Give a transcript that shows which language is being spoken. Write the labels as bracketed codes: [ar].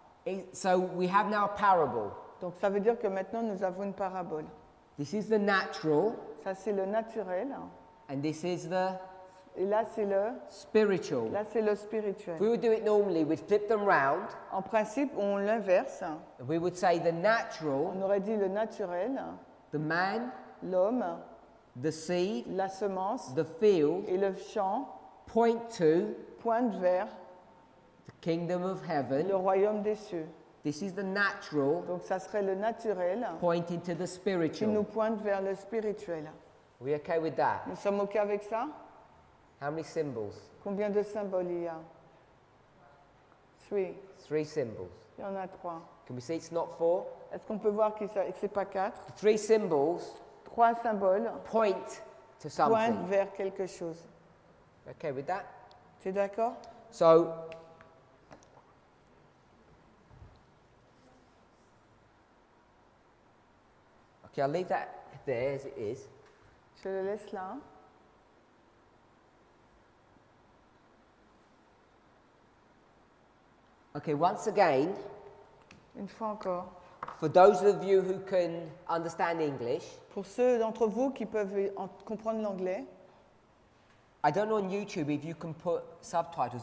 [en] It, so we have now a parable. [fr] Donc ça veut dire que maintenant nous avons une parabole. [en] This is the natural. [fr] Ça c'est le naturel. [en] And this is the. [fr] Et là c'est le. [en] Spiritual. [fr] Là c'est le spirituel. [en] If we would do it normally, we'd flip them round. [fr] En principe, on l'inverse. [en] We would say the natural. [fr] On aurait dit le naturel. [en] The man. [fr] L'homme. [en] The seed, [fr] la semence, [en] the field, [fr] et le champ, [en] point to, [fr] pointe vers, [en] the kingdom of heaven, [fr] le royaume des cieux. [en] This is the natural, [fr] donc ça serait le naturel, [en] pointing to the spiritual, [fr] qui nous pointe vers le spirituel. [en] We okay with that? [fr] Nous sommes ok avec ça? [en] How many symbols? [fr] Combien de symboles il y a? [en] Three. Three symbols. [fr] Il y en a trois. [en] Can we see it's not four? [fr] Est-ce qu'on peut voir que c'est pas quatre? [en] The three symbols. [fr] Trois symboles [en] point to something. [fr] Pointe vers quelque chose. [en] Okay with that? [fr] Tu es d'accord? [en] So, okay, I'll leave that there as it is. [fr] Je le laisse là. [en] Okay, once again. [fr] Une fois encore. [en] For those of you who can understand English, [fr] pour ceux d'entre vous qui peuvent comprendre l'anglais, [en] I don't know on YouTube if you can put subtitles.